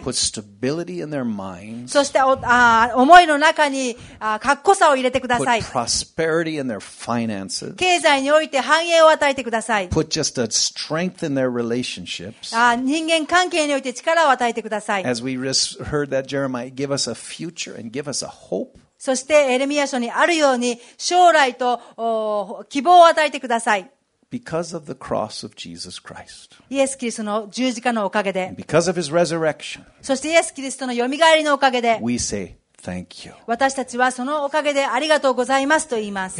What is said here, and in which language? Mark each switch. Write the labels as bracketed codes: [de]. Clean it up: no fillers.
[en] Put stability in their minds. [ja] そして思いの中にかっこさを入れてください。 [en] Put prosperity in their finances. [ja] 経済において繁栄を与えてください。 [en] Put just a strength in their relationships. [ja] 人間関係において力を与えてください。 [en] As we heard that Jeremiah, give us a future and give us a hope. [ja] そしてエレミヤ書にあるように将来と希望を与えてください。 [en] Because of the cross of Jesus Christ. [ja] イエス・キリストの十字架のおかげで。 [en] Because of his resurrection. [ja] そしてイエス・キリストのよみがえりのおかげで。 [en] We say thank you. [ja] 私たちはそのおかげでありがとうございますと言います。